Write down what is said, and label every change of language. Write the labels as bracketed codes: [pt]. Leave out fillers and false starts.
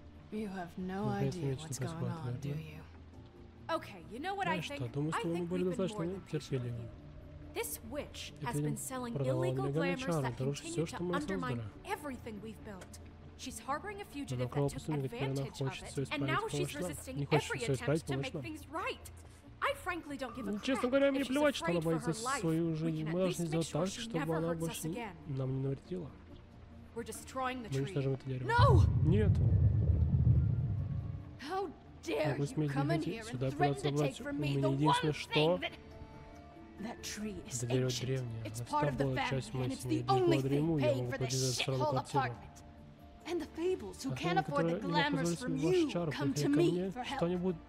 [en] You have no idea what's going on, do you? Okay, you know what I think we've been more than peaceful. This witch has been selling illegal glamours that continue to undermine everything we've built. She's harboring a fugitive that took advantage of it, and now she's resisting every attempt to make things right. I frankly don't give a crap. [ru] Честно говоря, мне плевать, что она боится за свою жизнь. Мы должны сделать так, чтобы она больше нам не навредила. [en] We're destroying the tree. [ru] Мы уничтожим это дерево. [en] No! [ru] Нет. [en] How dare you come in here and threaten to take from me the one thing that... That tree is ancient. It's part of the family, and it's the only thing paying for this shithole apartment. And the fables who can't afford the glamours from you come to me for help.